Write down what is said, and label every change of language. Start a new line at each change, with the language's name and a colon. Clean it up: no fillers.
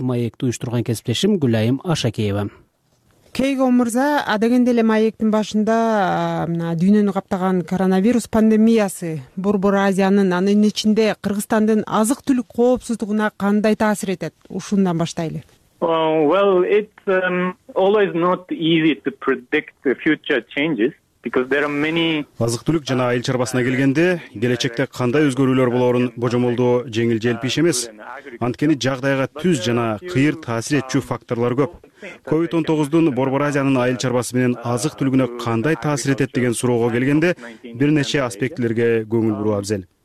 Kyrgyz: Маекти уюштурган кесиптешим Гүлайым Ашакеева. Кейго мырза, адегенде эле маектин башында мына дүйнөнү каптаган коронавирус пандемиясы Борбор Азиянын, анын ичинде Кыргызстандын азык түлүк коопсуздугуна кандай таасир этет? Ушундан баштайлы.
English: Well, it's always not easy to predict the future changes.
Kyrgyz: Азык түлүк жана айыл чарбасына келгенде келечекте кандай өзгөрүүлөр болорун божомолдоо жеңил желпи иш эмес. Анткени жагдайга түз жана кыйыр таасир этчү факторлор көп. COVID-19 Борбор Азиянын айыл чарбасы менен азык түлүгүнө кандай таасир этет деген суроого келгенде бир нече аспектилерге көңүл буруу абзел.